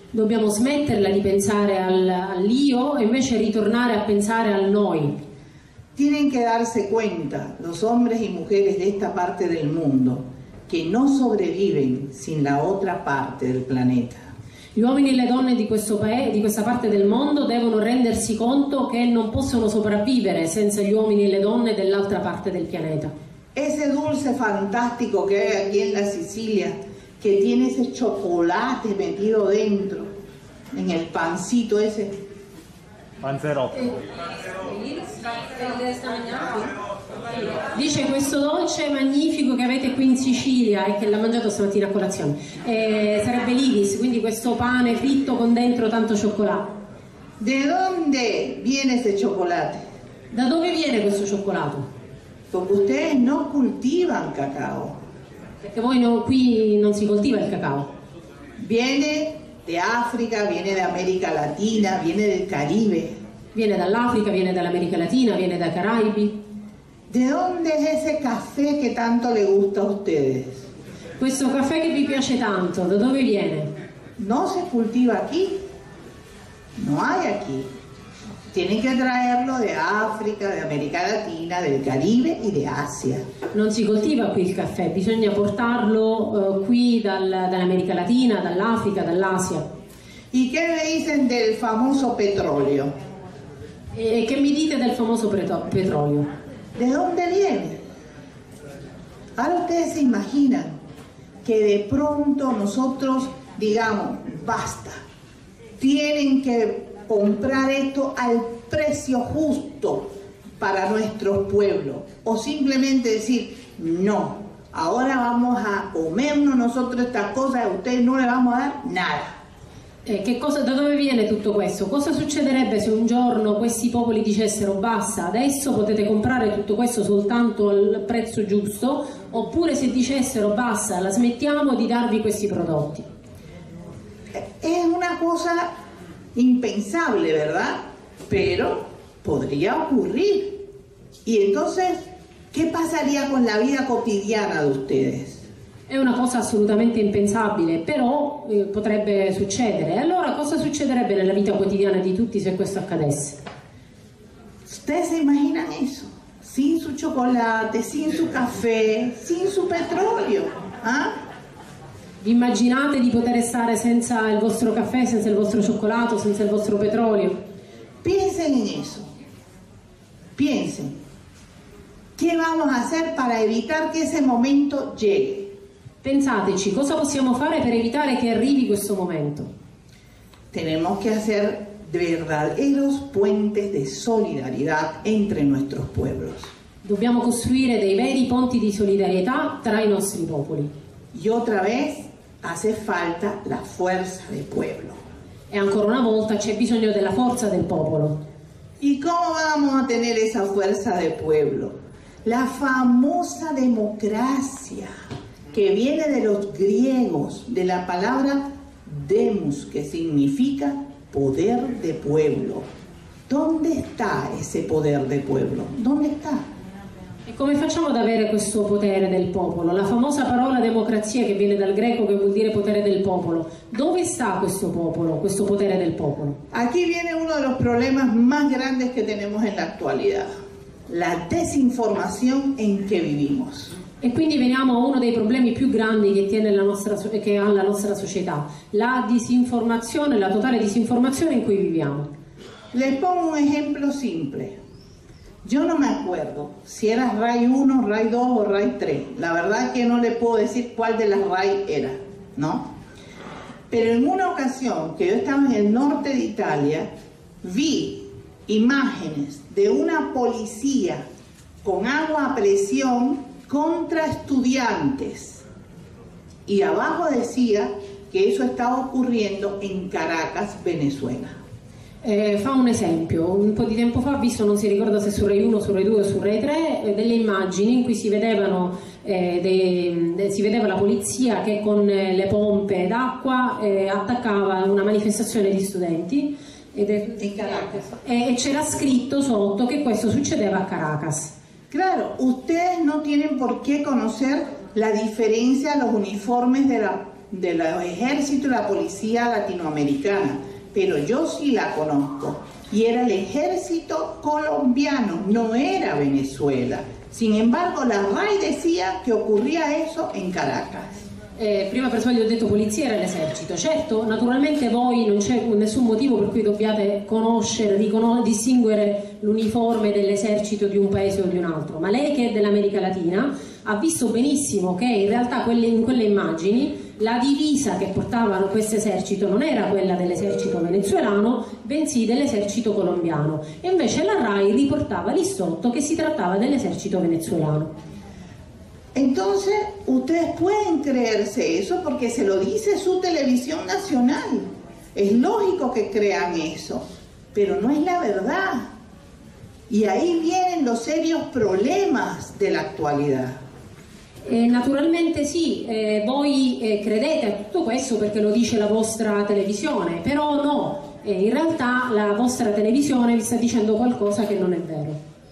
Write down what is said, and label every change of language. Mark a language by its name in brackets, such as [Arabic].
[Italian] Dobbiamo smetterla di pensare all'io e invece ritornare a pensare al noi. [Spanish] Tienen que darse cuenta los hombres y mujeres de esta parte del mundo que no sobreviven sin la otra parte del planeta. [Italian] Gli uomini e le donne di questo paese, di questa parte del mondo, devono rendersi conto che non possono sopravvivere senza gli uomini e le donne dell'altra parte del pianeta. [Spanish] Ese dulce fantástico que hay aquí en la Sicilia, que tiene ese chocolate metido dentro, en el pancito ese. [Italian] Panzerotto. Dice questo dolce magnifico che avete qui in Sicilia e che l'ha mangiato stamattina a colazione. Sarebbe l'iris, quindi questo pane fritto con dentro tanto cioccolato. [Spanish] De dónde viene ese chocolate? [Italian] Da dove viene questo cioccolato? [Spanish] Porque ustedes no cultivan cacao. [Italian] Perché voi qui non si coltiva il cacao. [Spanish] Viene de África, viene de América Latina, viene del Caribe. [Italian] Viene dall'Africa, viene dall'America Latina, viene dai Caraibi. [Spanish] ¿De dónde es ese café que tanto le gusta a ustedes? [Italian] Questo caffè che vi piace tanto, da dove viene? Non si coltiva qui. [Spanish] Non hay aquí. Tiene que traerlo de África, de América Latina, del Caribe y de Asia. [Italian] Non si coltiva qui il caffè, bisogna portarlo qui dall'America Latina, dall'Africa, dall'Asia. [Spanish] ¿Y qué me dicen del famoso petróleo? [Italian] E che mi dite del famoso petrolio? [Spanish] ¿De dónde viene? ¿Ustedes se imaginan que de pronto nosotros digamos, basta, tienen que comprar esto al precio justo para nuestro pueblo? O simplemente decir, no, ahora vamos a comernos nosotros estas cosas y a ustedes no le vamos a dar nada. [Italian] Che cosa, da dove viene tutto questo? Cosa succederebbe se un giorno questi popoli dicessero basta, adesso potete comprare tutto questo soltanto al prezzo giusto, oppure se dicessero basta, la smettiamo di darvi questi prodotti? È una cosa impensabile, [Spanish] ¿verdad? Pero podría ocurrir. Y entonces, ¿qué pasaría con la vida cotidiana de ustedes? [Italian] È una cosa assolutamente impensabile, però potrebbe succedere. Allora cosa succederebbe nella vita quotidiana di tutti se questo accadesse? [Spanish] Ustedes se imaginan eso? Sin su chocolate, sin su café, sin su petrolio, eh? [Italian] Vi immaginate di poter stare senza il vostro caffè, senza il vostro cioccolato, senza il vostro petrolio? [Spanish] Piensen en eso. Piensen. ¿Qué vamos a hacer para evitar que ese momento llegue? [Italian] Pensateci, cosa possiamo fare per evitare che arrivi questo momento? [Spanish] Tenemos que hacer verdaderos puentes de solidaridad entre nuestros pueblos. [Italian] Dobbiamo costruire dei veri ponti di solidarietà tra i nostri popoli. [Spanish] Y otra vez hace falta la fuerza del pueblo. [Italian] E ancora una volta c'è bisogno della forza del popolo. [Spanish] ¿Y cómo vamos a tener esa fuerza del pueblo? La famosa democracia. Que viene de los griegos, de la palabra demos, que significa poder de pueblo. ¿Dónde está ese poder de pueblo? ¿Dónde está? [Italian] E come facciamo ad avere questo potere del popolo? La famosa parola democrazia che viene dal greco che vuol dire potere del popolo. Dove sta questo popolo, questo potere del popolo? [Spanish] Aquí viene uno de los problemas más grandes que tenemos en la actualidad. La desinformación en que vivimos. [Italian] E quindi veniamo a uno dei problemi più grandi che tiene la nostra, che ha la nostra società, la disinformazione, la totale disinformazione in cui viviamo. [Spanish] Le pongo un esempio simple. [Italian] Io non mi acuerdo se era [Spanish] Rai 1, Rai 2 o Rai 3. La verdad es que no le puedo decir cuál de las Rai era, ¿no? Pero en una ocasión que yo estaba en el norte de Italia, vi imágenes de una policía con agua a presión contra estudiantes, y abajo decía que eso estaba ocurriendo en Caracas, Venezuela. [Italian] Fa un esempio, un po' di tempo fa, visto non si ricorda se su Rai 1, su Rai 2 o su Rai 3, delle immagini in cui si vedevano si vedeva la polizia che con le pompe d'acqua attaccava una manifestazione di studenti in Caracas, e c'era scritto sotto che questo succedeva a Caracas. [Spanish] Claro, ustedes no tienen por qué conocer la diferencia de los uniformes de la ejército y la policía latinoamericana, pero yo sí la conozco, y era el ejército colombiano, no era Venezuela. Sin embargo, la RAI decía que ocurría eso en Caracas. [Italian] Prima per sbaglio ho detto polizia, era l'esercito. Certo, naturalmente voi non c'è nessun motivo per cui dobbiate conoscere, distinguere l'uniforme dell'esercito di un paese o di un altro, ma lei che è dell'America Latina ha visto benissimo che in realtà in quelle immagini la divisa che portavano questo esercito non era quella dell'esercito venezuelano, bensì dell'esercito colombiano. E invece la RAI riportava lì sotto che si trattava dell'esercito venezuelano. [Spanish] Entonces, ustedes pueden creerse eso porque se lo dice su televisión nacional. Es lógico que crean eso, pero no es la verdad. Y ahí vienen los serios problemas de la actualidad. [Italian] Naturalmente sì, voi credete a tutto questo perché lo dice la vostra televisione, però no, in realtà la vostra televisione vi sta dicendo qualcosa che non è vero.